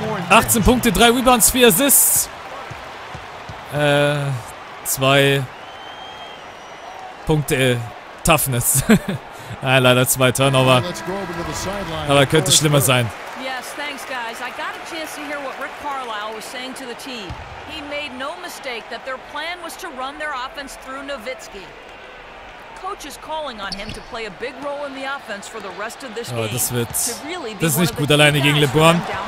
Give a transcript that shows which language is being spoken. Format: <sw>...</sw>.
<de>18 Punkte, 3 Rebounds, 4 Assists. 2 Punkte Toughness. Ah, leider 2 Turnover. Aber könnte schlimmer sein.</de> <en>Yes, thanks guys. I got a chance to hear what Rick Carlisle was saying to the team. He made no mistake that their plan was to run their offense through Nowitzki. coach is calling on him to play a big role in the offense for the rest of this game.</en> <de>Das wird, das ist nicht gut alleine gegen LeBron.</de>